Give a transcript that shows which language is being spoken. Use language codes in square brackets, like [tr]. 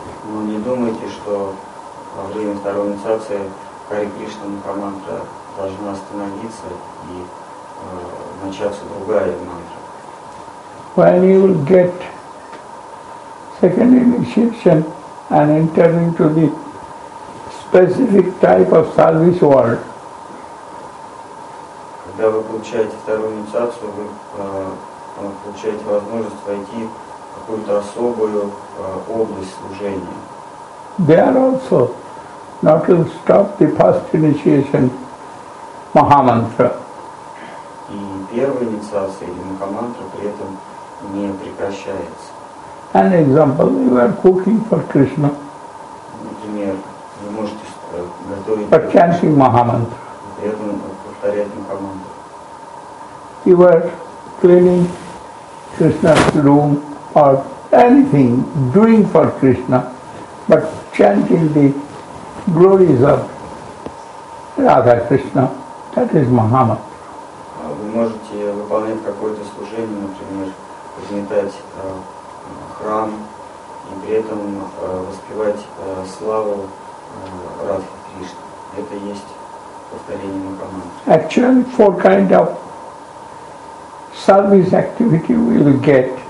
[ru] Но не думайте, что во время второй инициации Hare Krishna Mahamantra должна остановиться и начаться другая мантра. [en] When you will get second initiation and enter into the specific type of service world. [ru] Когда вы получаете вторую инициацию, вы получаете возможность войти в какую-то особую область служения. [en] There also, not to stop the first initiation Mahamantra. [ru] И первая инициация или Mahamantra при этом не прекращается. [en] An example, you are cooking for Krishna. [ru] Например, вы можете [en] but chanting Mahamantra. You were cleaning Krishna's room or anything, doing for Krishna, but chanting the glories of Radha Krishna, that is Mahamantra. [ru] Вы можете выполнять какое-то служение, например, возметать храм и при этом воспевать славу Радхи. Это есть повторение Махамантры. [en] Actually, four kind of service activity we will get.